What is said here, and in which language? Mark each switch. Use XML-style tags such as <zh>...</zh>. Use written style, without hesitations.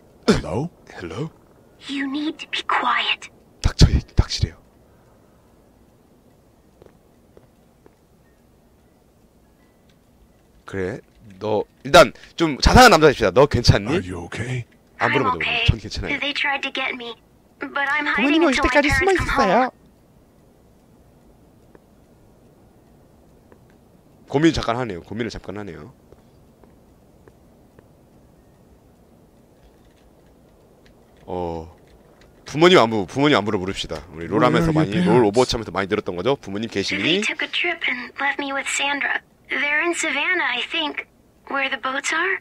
<en>Hello? Hello? You need to be quiet.</en> <ko>닥쳐야 닥치래요. 그래 너 일단 좀 자상한 남자 됩시다. 너 괜찮니?</ko> <en>Are you okay?</en> <ko>안 물어봐도 okay. 전 괜찮아요.</ko> <en>They tried to get me, but I'm hiding until my parents come home.</en> <ko>숨어 있었어요. 고민을 잠깐 하네요. 어 부모님 안부로 물읍시다. 우리 롤하면서 많이 롤 오버워치하면서 많이 들었던 거죠. 부모님 계시니?</ko> <en>They took a trip and left me with Sandra. They're in Savannah, I think, where the boats are.</en>